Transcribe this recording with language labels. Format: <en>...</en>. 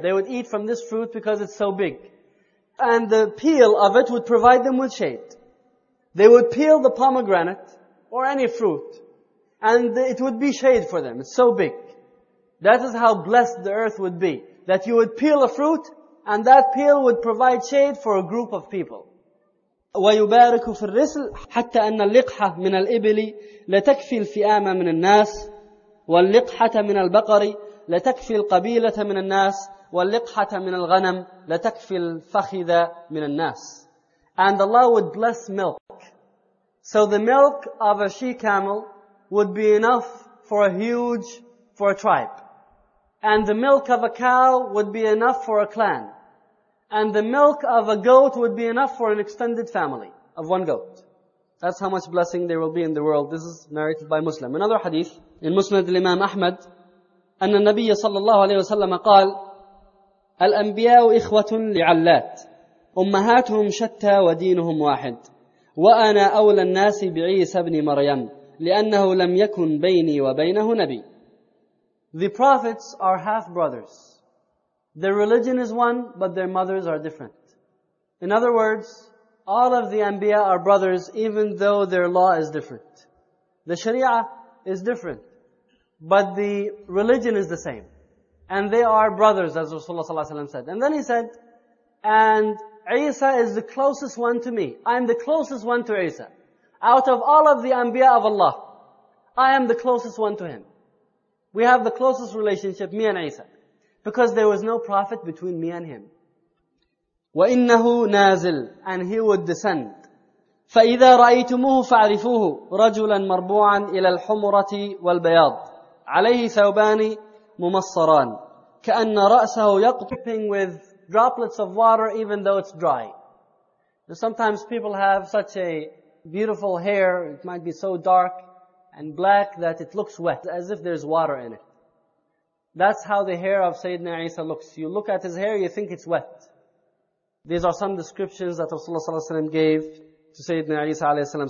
<en>They would eat from this fruit because it's so big. And the peel of it would provide them with shade. They would peel the pomegranate or any fruit, and it would be shade for them. It's so big. That is how blessed the earth would be. That you would peel a fruit, and that peel would provide shade for a group of people.</en> <ar>ويبارك في الرسل حتى أن اللقحة من الإبل لتكفي الفئام من الناس، واللقحة من البقر لتكفي القبيلة من الناس، واللقحة من الغنم لتكفي الفخذ من الناس.</ar> <en>And Allah would bless milk. So the milk of a she-camel would be enough for a huge, for a tribe. And the milk of a cow would be enough for a clan. And the milk of a goat would be enough for an extended family of one goat. That's how much blessing there will be in the world. This is narrated by Muslim. Another hadith in Musnad al-Imam Ahmad,</en> <ar>أن النبي صلى الله عليه وسلم قال الأنبياء إخوة لعلات أمهاتهم شتى ودينهم واحد وأنا أولى الناس بعيسى بن مريم لأنه لم يكن بيني وبينه نبي.</ar> <en>The prophets are half brothers. Their religion is one, but their mothers are different. In other words, all of the Anbiya are brothers, even though their law is different. The Sharia is different, but the religion is the same. And they are brothers, as Rasulullah ﷺ said. And then he said, and Isa is the closest one to me. I am the closest one to Isa. Out of all of the Anbiya of Allah, I am the closest one to him. We have the closest relationship, me and Isa. Because there was no prophet between me and him.</en> <ar>وَإِنَّهُ نَازِلٌ</ar> <en>And he would descend.</en> <ar>فَإِذَا رَأَيْتُمُهُ فَعْرِفُوهُ رَجُلًا مَرْبُوعًا إِلَى الْحُمُرَةِ وَالْبَيَاضِ عَلَيْهِ ثَوْبَانِ مُمَصَّرَانِ كَأَنَّ رَأْسَهُ يَقْطِبِّنَ</ar> <en>With droplets of water even though it's dry. And sometimes people have such a beautiful hair, it might be so dark and black that it looks wet, as if there's water in it. That's how the hair of Sayyidina Isa looks. You look at his hair, you think it's wet. These are some descriptions that Rasulullah ﷺ gave to Sayyidina Isa ﷺ.</en>